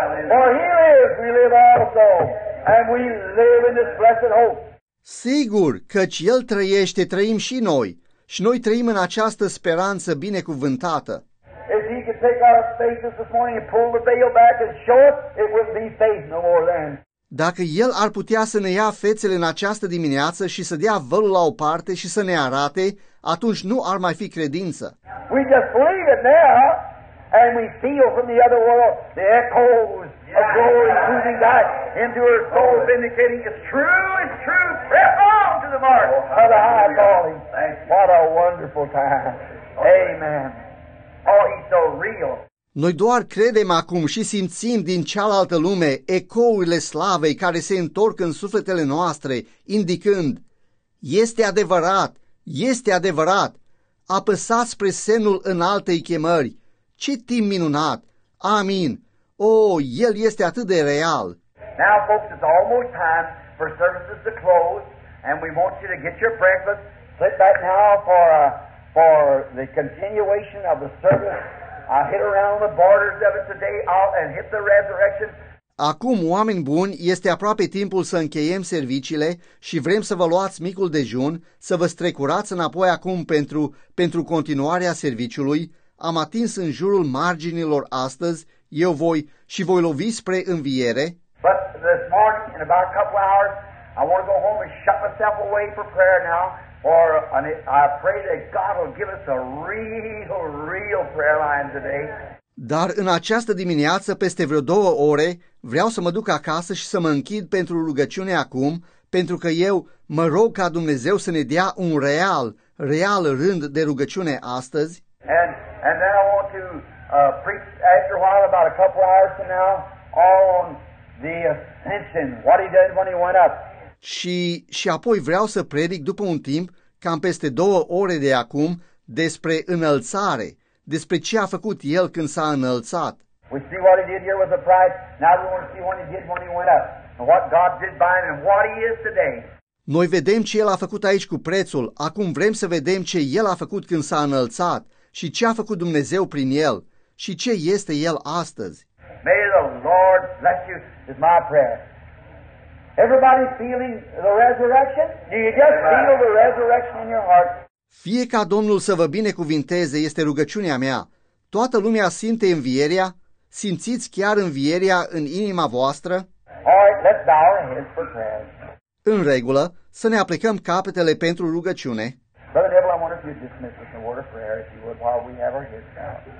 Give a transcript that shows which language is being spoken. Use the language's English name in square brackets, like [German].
[English] For he lives, we live also, and we live in this blessed hope. [Romanian] Sigur, căci El trăiește, trăim și noi, Și noi trăim în această speranță binecuvântată. [English] If he could take our faces this morning and pull the veil back and show us, it wouldn't be faith no more then. [Romanian] Dacă El ar putea să ne ia fețele în această dimineață și să dea vălul la o parte și să ne arate, atunci nu ar mai fi credință. [English] We just believe it now and we feel from the other world the echoes of glory moving back into our soul, vindicating it's true, right on to the mark of the high calling. Thank you. What a wonderful time. Amen. Oh, he's so real. [Romanian] Noi doar credem acum și simțim din cealaltă lume ecourile slavei care se întorc în sufletele noastre, indicând, este adevărat, este adevărat, apăsați spre semnul înaltei chemări, ce timp minunat, amin, oh, El este atât de real. [English] Now, folks, it's almost time for services to close, and we want you to get your breakfast, sit back now for the continuation of the service. I'll hit around the borders of it today and hit the resurrection. [Romanian] Acum, oameni buni, este aproape timpul să încheiem serviciile și vrem să vă luați micul dejun, să vă strecurați înapoi acum pentru continuarea serviciului. Am atins în jurul marginilor astăzi, eu voi și voi lovi spre înviere. [English] But this morning, in about a couple of hours, I want to go home and shut myself away for prayer now. Or I pray that God will give us a real prayer line today. [Romanian] Dar în această dimineață, peste vreo două ore, vreau să mă duc acasă și să mă închid pentru rugăciune acum, pentru că eu mă rog ca Dumnezeu să ne dea un real rând de rugăciune astăzi. [English] And then I want to preach after a while, about a couple hours from now, on the ascension, what he did when he went up. [Romanian] Și apoi vreau să predic după un timp, cam peste două ore de acum, despre înălțare, despre ce a făcut El când s-a înălțat. [English] We see what he did here with the price. Now we want to see what he did when he went up. And what God did by him and what he is today. [Romanian] Noi vedem ce El a făcut aici cu prețul. Acum vrem să vedem ce El a făcut când s-a înălțat și ce a făcut Dumnezeu prin El și ce este El astăzi. [English] May the Lord bless you is my prayer. Everybody feeling the resurrection? Do you just feel the resurrection in your heart? [Romanian] Fie ca Domnul să vă binecuvinteze, este rugăciunea mea. Toată lumea simte învierea? Simțiți chiar învierea în inima voastră? [English] All right, let's bow our heads for prayer. [Romanian] În regulă, să ne aplicăm capetele pentru rugăciune. [English] Brother Neville, I wonder if you'd dismiss us in a word of prayer, if you would, while we have our heads down.